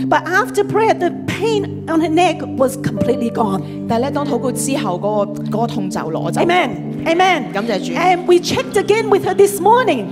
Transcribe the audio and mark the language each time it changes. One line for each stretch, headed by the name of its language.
English: But after prayer, the pain on her neck was completely gone.
Cantonese: 但咧，當禱告之後，嗰個痛就攞走。
English: Amen, amen.
Cantonese: 感謝主。
English: And we checked again with her this morning.